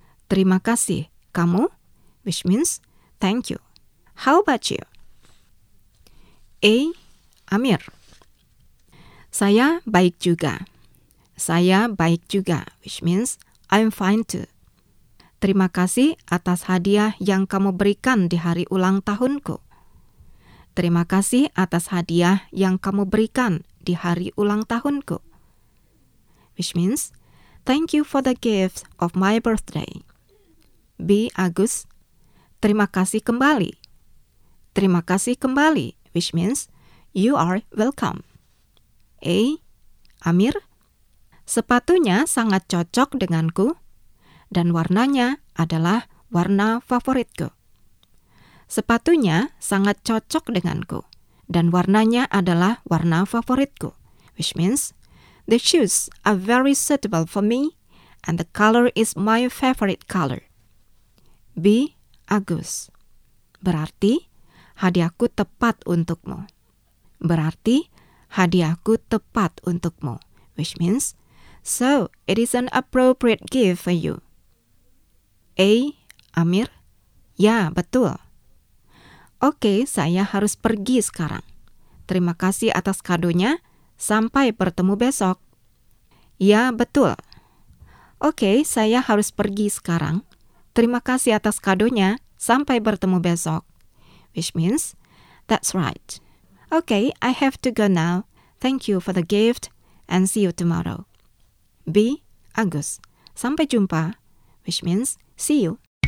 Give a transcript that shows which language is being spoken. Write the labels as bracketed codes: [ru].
[id] terima kasih, kamu, [en] which means thank you. How about you? A. Amir. [id] Saya baik juga. Saya baik juga, [en] which means I'm fine too. [id] Terima kasih atas hadiah yang kamu berikan di hari ulang tahunku. Terima kasih atas hadiah yang kamu berikan di hari ulang tahunku. [en] Which means, thank you for the gift of my birthday. B. Agus. [id] Terima kasih kembali. Terima kasih kembali, [en] which means, you are welcome. A. Amir. [id] Sepatunya sangat cocok denganku, dan warnanya adalah warna favoritku. Sepatunya sangat cocok denganku, dan warnanya adalah warna favoritku, [en] which means, the shoes are very suitable for me, and the color is my favorite color. B. Agus. [id] Berarti, hadiahku tepat untukmu. Berarti, hadiahku tepat untukmu, [en] which means, so it is an appropriate gift for you. [id] A. Amir. Ya, betul. Oke, saya harus pergi sekarang. Terima kasih atas kadonya. Sampai bertemu besok. Ya, betul. Oke, saya harus pergi sekarang. Terima kasih atas kadonya. Sampai bertemu besok. [en] Which means, that's right. Oke, I have to go now. Thank you for the gift and see you tomorrow. B. Agus. [id] Sampai jumpa. [en] Which means, see you.